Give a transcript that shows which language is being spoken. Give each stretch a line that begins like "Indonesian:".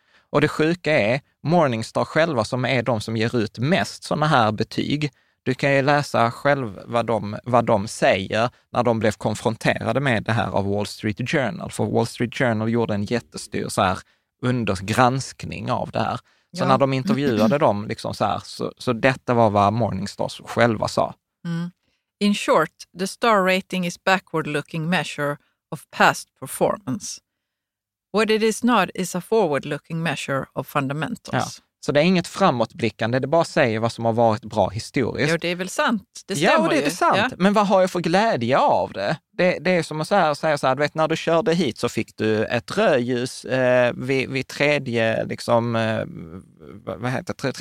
Swedish: Och det sjuka är, Morningstar själva som är de som ger ut mest sådana här betyg, du kan ju läsa själv vad de säger när de blev konfronterade med det här av Wall Street Journal. För Wall Street Journal gjorde en jättestor så här undergranskning av det här. Så ja. När de intervjuade dem, liksom så här, så detta var vad Morningstar själva sa. Mm.
English: In short, the star rating is backward-looking measure of past performance. What it is not is a forward-looking measure of fundamentals.
Swedish: Ja. Så det är inget framåtblickande, det bara säger vad som har varit bra historiskt. Ja, det är väl sant. Det ja, och det är sant. Ja. Men vad har jag för glädje av det? Det är som att säga så här, du vet, när du körde hit så fick du ett rödljus vid tredje, liksom, vad heter det?